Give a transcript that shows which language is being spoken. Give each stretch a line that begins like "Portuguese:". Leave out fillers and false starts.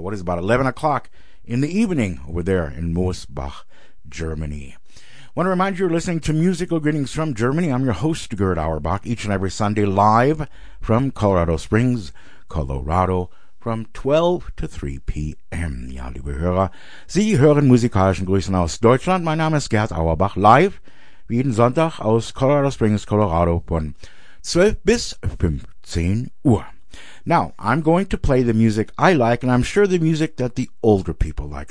English: What is it, about 11 o'clock in the evening over there in Mosbach, Germany? I want to remind you, you're listening to Musical Greetings from Germany. I'm your host, Gerd Auerbach, each and every Sunday live from Colorado Springs, Colorado, from 12 to 3 p.m.
German: Ja, liebe Hörer, Sie hören musikalischen Grüßen aus Deutschland. Mein Name ist Gerd Auerbach, live wie jeden Sonntag aus Colorado Springs, Colorado, von 12 bis 15 Uhr.
English: Now, I'm going to play the music I like, and I'm sure the music that the older people like.